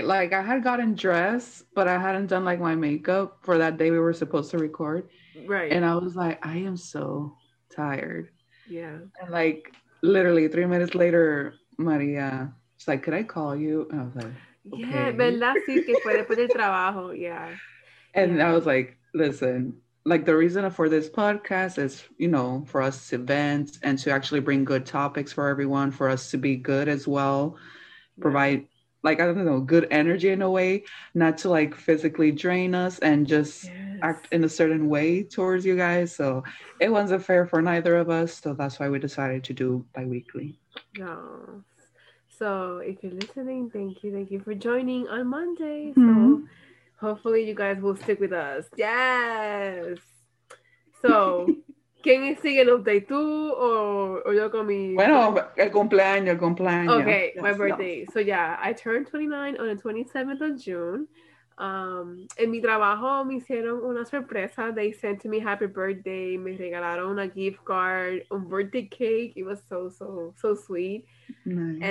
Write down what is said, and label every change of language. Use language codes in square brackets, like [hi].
[en] Like, I had gotten dressed, but I hadn't done like my makeup for that day we were supposed to record. Right. And I was like, I am so tired. Yeah. And like literally 3 minutes later, Maria, she's like, could I call you? And I was like, [es] yeah, verdad, sí, que fue después del trabajo. [en] Yeah. And yeah. I was like, listen, like the reason for this podcast is, you know, for us to vent and to actually bring good topics for everyone, for us to be good as well, provide like, I don't know, good energy in a way, not to like physically drain us and just act in a certain way towards you guys. So it wasn't fair for neither of us. So that's why we decided to do bi-weekly. So if you're listening, thank you. Thank you for joining on Monday. Mm-hmm. So hopefully you guys will stick with us. Yes. [es] So, ¿quién sigue el update tú o yo con mi? Bueno, el cumpleaños. [en] Okay, yes, my birthday. Yes. So yeah, I turned 29 on the 27th of June. [es] En mi trabajo me hicieron una sorpresa. [en] They sent me happy birthday. [es] Me regalaron [en] a gift card, a birthday cake. It was so sweet. Nice.